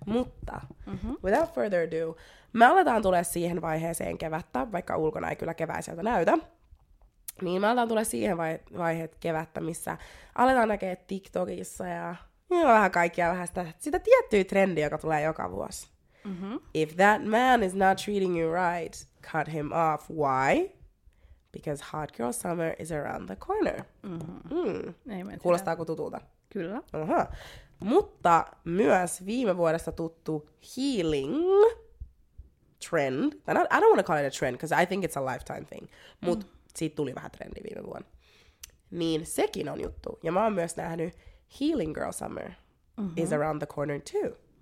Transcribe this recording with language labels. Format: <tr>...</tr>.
<fi>Mutta,</fi> <en>without further ado,</en> <fi>me aletaan tulemaan siihen vaiheeseen kevättä, vaikka ulkona ei kyllä keväiseltä näytä. Niin me aletaan tulemaan siihen vaiheet kevättä, missä aletaan näkemään TikTokissa ja vähän kaikkia vähän sitä tiettyä trendiä, joka tulee joka vuosi. Mm-hmm.</fi> <en>If that man is not treating you right, cut him off. Why? Because hot girl summer is around the corner.</en> <fi>Kuulostaako tutulta? Kyllä. Aha. Mutta myös viime vuodesta tuttu</fi> <en>healing trend. And I don't want to call it a trend, because I think it's a lifetime thing.</en> <fi>Mut siitä tuli vähän trendi viime vuonna. Niin sekin on juttu. Ja mä oon myös nähnyt</fi> <en>healing girl summer is around the corner too.</en>